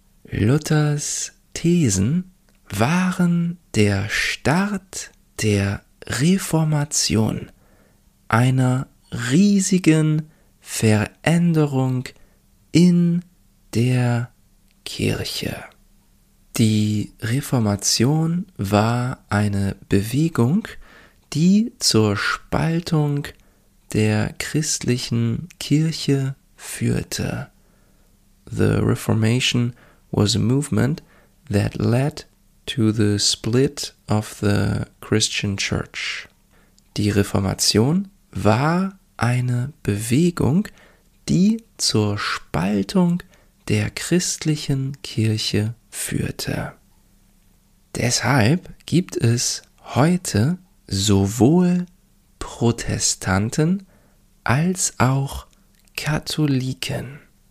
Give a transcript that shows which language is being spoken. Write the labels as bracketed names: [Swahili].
[German] Luthers Thesen waren der Start der Reformation, einer riesigen Veränderung in der Kirche. Die Reformation war eine Bewegung, die zur Spaltung der christlichen Kirche führte. [English] The Reformation was a movement that led to the split of the Christian Church. [German] Die Reformation war eine Bewegung, die zur Spaltung der christlichen Kirche führte. Deshalb gibt es heute sowohl Protestanten als auch Katholiken.